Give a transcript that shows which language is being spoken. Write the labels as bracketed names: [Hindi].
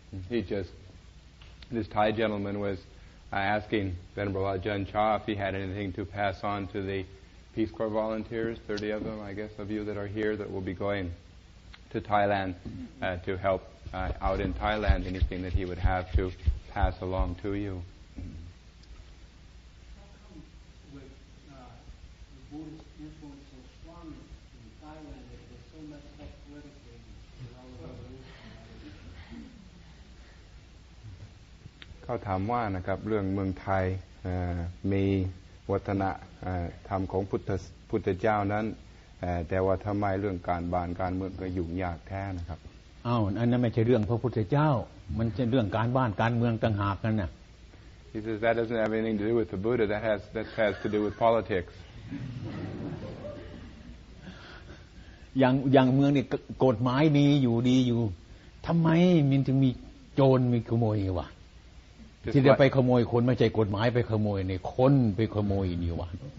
[English] He just, this Thai gentleman was asking Venerable Ajahn Chah if he had anything to pass on to the Peace Corps volunteers, 30 of them, I guess, of you that are here that will be going to Thailand to help out in Thailand, anything that he would have to pass along to you. How come with the Buddhist influence so strong in Thailand that there's so much self-critical in all of the [Thai] เขาถามว่านะครับเรื่องเมืองไทยมีวัฒนธรรมของพุทธเจ้านั้นแต่ว่าทำไมเรื่องการบานการเมืองก็ยุ่งยากแท้นะครับ อ้าวอันนั้นไม่ใช่เรื่องพระพุทธเจ้ามันจะเรื่องการบ้านการเมืองต่างหากนั่นน่ะ [English] He says that doesn't have anything to do with the Buddha that has to do with politics [Thai] อย่างเมืองนี่กฎหมายดีอยู่ทำไมมันถึงมีโจรมีขโมยวะที่จะไปขโมยคนไม่ใช่กฎหมายไปขโมยในคนไปขโมยนี่หว่า